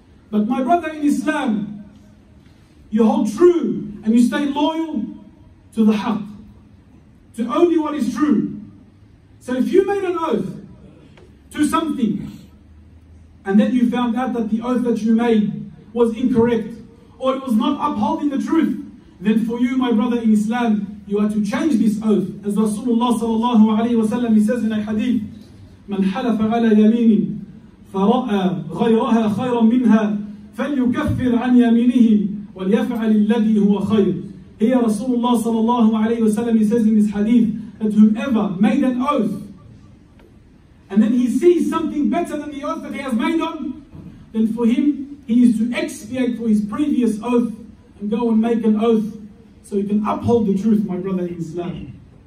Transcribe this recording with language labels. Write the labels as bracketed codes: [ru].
[en] But my brother in Islam, you hold true and you stay loyal to the haq, to only what is true. So if you made an oath to something and then you found out that the oath that you made was incorrect or it was not upholding the truth, then for you, my brother in Islam, you are to change this oath. As Rasulullah sallallahu alayhi wa sallam, he says in a hadith, [ar] من حلف على يمين فرأى غيرها خيرا منها فليكفر عن يمينه وليفعل الذي هو خير. [en] Here Rasulullah sallallahu alayhi wa sallam, he says in his hadith that whoever made an oath and then he sees something better than the oath that he has made on, then for him he is to expiate for his previous oath and go and make an oath so he can uphold the truth, my brother in Islam.